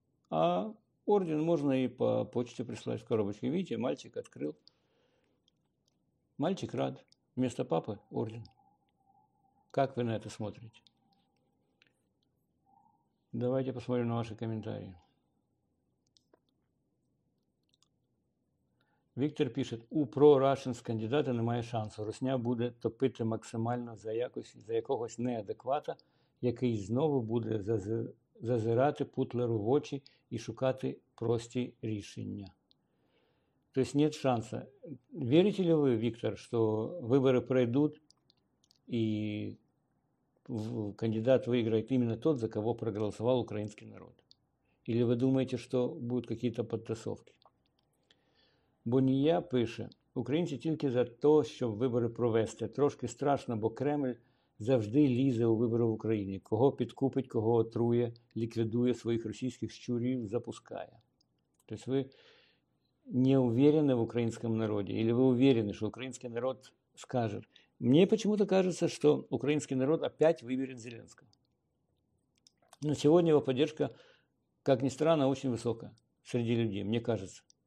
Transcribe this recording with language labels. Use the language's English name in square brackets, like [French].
[Russian] А орден можно и по почте прислать в коробочке. Видите, мальчик открыл. Мальчик рад. Вместо папы орден. Как вы на это смотрите? Давайте посмотрим на ваши комментарии. [Ukrainian] Віктор пише: у прорашен з кандидата немає шансу. Русня буде топити максимально за якогось неадеквата, який знову буде зазирати Путлеру в очі і шукати прості рішення. [Russian] То есть нет шанса. Верите ли вы, Виктор, что выборы пройдут, и кандидат выиграет именно тот, за кого проголосовал украинский народ? Или вы думаете, что будут какие-то подтасовки? [Ukrainian] Бонія пише: українці тільки за те, щоб вибори провести. Трошки страшно, бо Кремль завжди лізе у вибори в Україні. Кого підкупить, кого отрує, ліквідує своїх російських щурів, запускає. Тобто ви [Russian] не уверены в украинском народе? Или вы уверены, что украинский народ скажет? Мне почему-то кажется, что украинский народ опять выберет Зеленского. Но сегодня его поддержка, как ни странно, очень высокая среди людей, мне кажется.